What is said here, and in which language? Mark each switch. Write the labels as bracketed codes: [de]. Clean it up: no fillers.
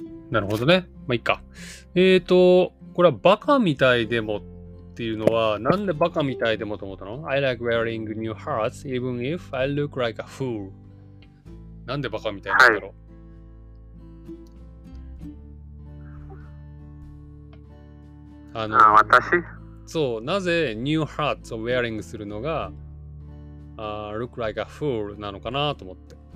[ja] なるほどね。まあいいか。これはバカみたいでもっていうのは、なんでバカみたいでもと思ったの？ [en] I like wearing new hats even if I look like a fool。 [ja] なんでバカみたいなんだろう。私そう、なぜ [en] new hats [ja] を [en] wearing [ja] するのが [en] look like a fool [ja] なのかなと思って。